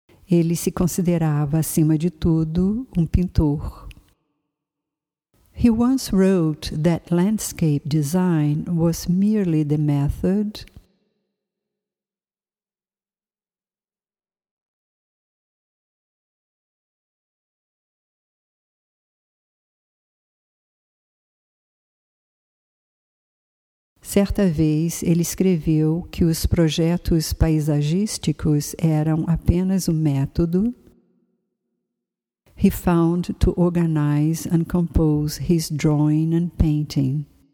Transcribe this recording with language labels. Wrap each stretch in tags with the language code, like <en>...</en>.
<pt>Ele se considerava, acima de tudo, um pintor.</pt> <en>He once wrote that landscape design was merely the method.</en> <pt>Certa vez, ele escreveu que os projetos paisagísticos eram apenas um método.</pt> <en>He found to organize and compose his drawing and painting.</en>